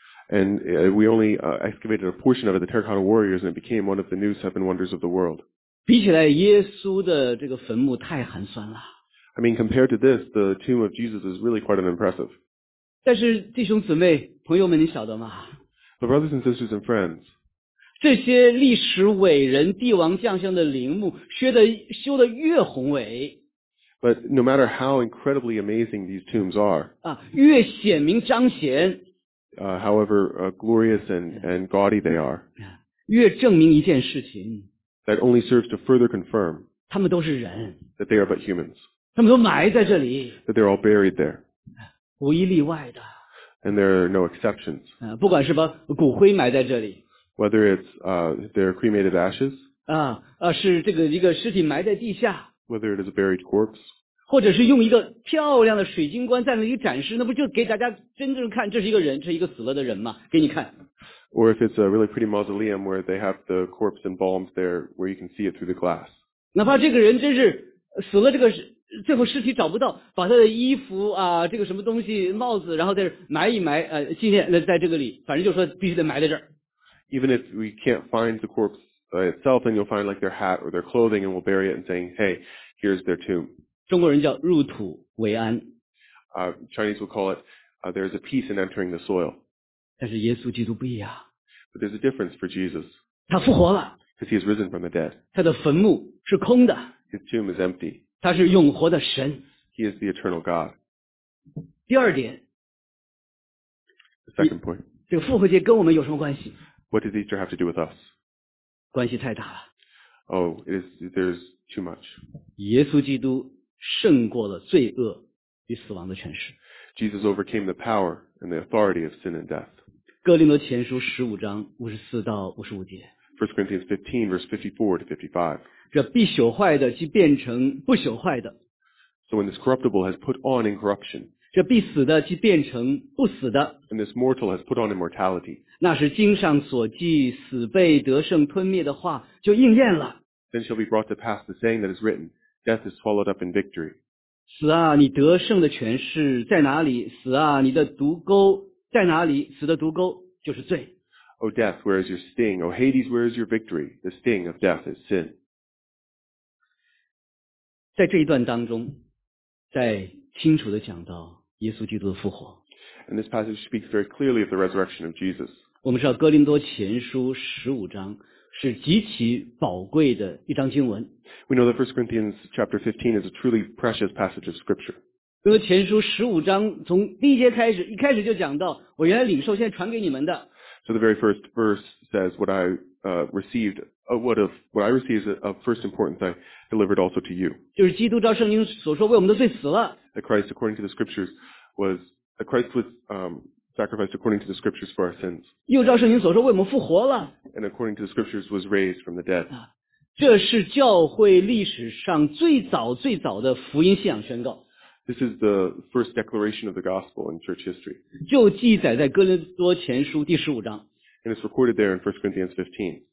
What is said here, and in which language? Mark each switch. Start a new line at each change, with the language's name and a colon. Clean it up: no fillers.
English: And we only excavated a portion of it, the terracotta warriors, and it became one of the new seven wonders of the world.
Chinese: 比起来耶稣的这个坟墓太寒酸了。
English: I mean, compared to this, the tomb of Jesus is really quite unimpressive.
Chinese: 但是弟兄姊妹朋友们你晓得吗
English: ?The brothers and sisters and friends.
Chinese: 这些历史伟人帝王将相的陵墓修得越宏伟。
English: But no matter how incredibly amazing these tombs are,
Chinese: 啊越显明彰显。
English: However, glorious and gaudy they are.
Chinese: 越证明一件事情。
English: That only serves to further confirm
Chinese: 他们都是人
English: that they are but humans.
Chinese: 他们都埋在这里
English: that they're all buried there.
Chinese: 无一例外的
English: and there are no exceptions.
Chinese: 不管是把骨灰埋在这里
English: whether it's their cremated ashes.
Chinese: 是这个一个尸体埋在地下
English: whether it is a buried corpse.
Chinese: 或者是用一个漂亮的水晶棺在那里展示，那不就给大家真正看这是一个人，这是一个死了的人吗？给你看。
English: Or if it's a really pretty mausoleum where they have the corpse embalmed there where you can see it through the glass.
Chinese: 哪怕这个人真是死了这个最后尸体找不到把他的衣服啊这个什么东西帽子然后再埋一埋纪念在这个里反正就说必须得埋在这儿。
English: Even if we can't find the corpse itself then you'll find like their hat or their clothing and we'll bury it and saying, hey, here's their tomb.
Chinese: 中国人叫入土为安。
English: Chinese will call it, there's a peace in entering the soil.
Chinese: 但是耶稣基督不一样。
English: But there's a difference for Jesus.
Chinese: 他复活了。
English: Because he has risen from the dead.
Chinese: 他的坟墓是空的。
English: His tomb is empty.
Chinese: 他是永活的神。
English: He is the eternal God.
Chinese: 第二点。
English: The second point.
Chinese: 这个复活节跟我们有什么关系
English: ？What does Easter have to do with us?
Chinese: 关系太大了。
English: Oh, there's too much.
Chinese: 耶稣基督胜过了罪恶与死亡的权势。
English: Jesus overcame the power. And the authority of sin and death.
Chinese: 哥林多前书十五章五十四到五十五节。
English: First Corinthians 15 verse 54 to 55.
Chinese: 这必朽坏的即变成不朽坏的。
English: So when this corruptible has put on incorruption.
Chinese: 这必死的即变成不死的。
English: And this mortal has put on immortality.
Chinese: 那是经上所记死被得胜吞灭的话就应验了。
English: Then shall be brought to pass the saying that is written, death is swallowed up in victory.
Chinese: 死啊你得胜的权势在哪里死啊你的毒钩在哪里死的毒钩就是罪。
English: Oh death, where is your sting? Oh Hades, where is your victory? The sting of death is sin.
Chinese: 在这一段当中在清楚地讲到耶稣基督的复活。
English: And this passage speaks very clearly of the resurrection of Jesus.
Chinese: 我们知道哥林多前书十五章是极其宝贵的一章经文。
English: We know that 1 Corinthians chapter 15 is a truly precious passage of scripture.
Chinese: 因为前书15章从第一节开始就讲到我原来领受现在传给你们的。
English: So the very first verse says, "What I received, what I received of first importance, I delivered also to you."
Chinese: 就是基督照圣经所说为我们的罪死了。
English: That Christ, according to the scriptures, was that Christ was sacrificed according to the scriptures for our sins.
Chinese: 又照圣经所说为我们复活了。
English: And according to the scriptures, was raised from the dead.
Chinese: 这是教会历史上最早最早的福音信仰宣告。
English: This is the first declaration of the gospel in church history.
Chinese: 就记载在哥林多前书第十五章。
English: And it's recorded there in 1 Corinthians 15.